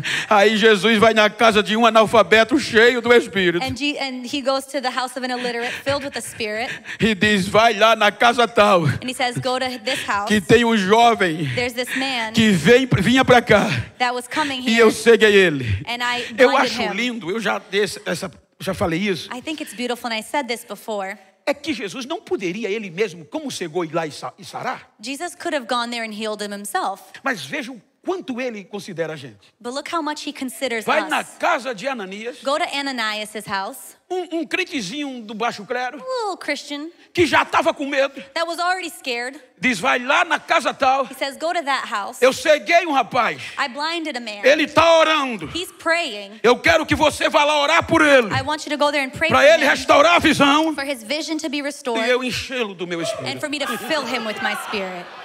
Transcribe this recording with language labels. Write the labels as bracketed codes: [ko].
[pt] Aí Jesus vai na casa de um analfabeto cheio do Espírito. [en] And he goes to the house of an illiterate filled with the Spirit. [pt] E diz, vai lá na casa tal. [en] And he says, go to this house. [pt] Que tem um jovem. [en] There's this man. [pt] Que vinha para cá. [en] That was coming here. [pt] E eu segui ele. [en] And I [pt] eu acho [en] him. [pt] Lindo, eu já já falei isso. [en] I think it's beautiful and I said this before. [pt] É que Jesus não poderia ele mesmo, como cegou, ir lá e sarar? [en] Jesus could have gone there and healed him himself. [pt] Mas veja o quanto ele considera a gente. [en] But look how much he considers [pt] vai [en] us. [pt] Vai na casa de Ananias. [en] Go to Ananias's house. [pt] Um crentezinho do baixo clero. [en] A little Christian. [pt] Que já estava com medo. [en] That was already scared. [pt] Diz, vai lá na casa tal. [en] He says, go to that house. [pt] Eu ceguei um rapaz. [en] I blinded a man. [pt] Ele está orando. [en] He's praying. [pt] Eu quero que você vá lá orar por ele. [en] I want you to go there and pray for him. [pt] Para ele restaurar a visão. [en] For his vision to be restored. [pt] E eu enchê-lo do meu Espírito. [en] And for me to fill him with my Spirit.